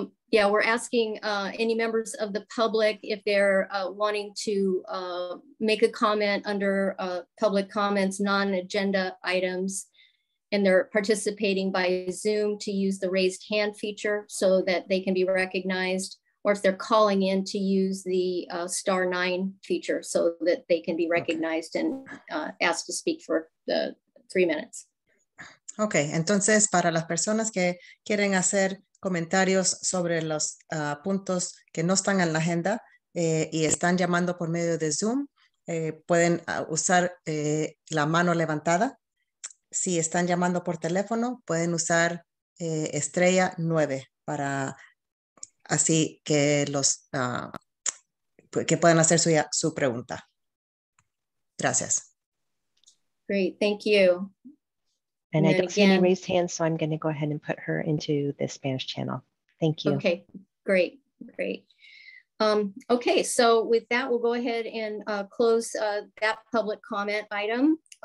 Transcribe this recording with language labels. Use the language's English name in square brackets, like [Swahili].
[English] Yeah, we're asking any members of the public if they're wanting to make a comment under public comments, non-agenda items, and they're participating by Zoom to use the raised hand feature so that they can be recognized, or if they're calling in to use the star 9 feature so that they can be recognized and asked to speak for the 3 minutes. [Spanish] Okay, entonces para las personas que quieren hacer comentarios sobre los puntos que no están en la agenda y están llamando por medio de Zoom, pueden usar la mano levantada. Si están llamando por teléfono, pueden usar estrella 9 para así que los que puedan hacer su pregunta. Gracias. [English] Great, thank you. And I don't see any raised hands, so I'm going to go ahead and put her into the Spanish channel. Thank you. Okay, great, great. Okay, so with that, we'll go ahead and close that public comment item.